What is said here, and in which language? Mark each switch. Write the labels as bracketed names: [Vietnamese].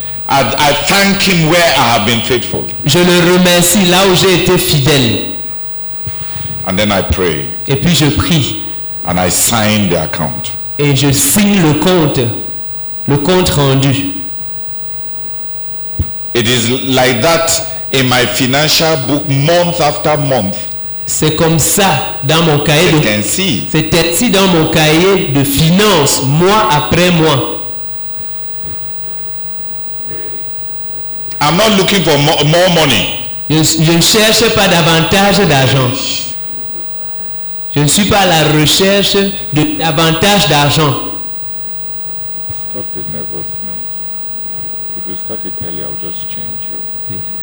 [English] I thank him where I have been faithful. [French] Je le remercie là où j'ai été fidèle. [English] And then I pray. [French] Et puis je prie. [English] And I sign the account. [French] Et je signe le compte rendu. [English] It is like that in my financial book month after month. [French] C'est comme ça dans mon cahier de finances. C'est ainsi dans mon cahier de finances, mois après mois. [English] I'm not looking for more money. [French] Je ne cherche pas davantage d'argent. Je ne suis pas à la recherche de davantage d'argent. [English] Stop the nervousness. If you start it early, I'll just change you.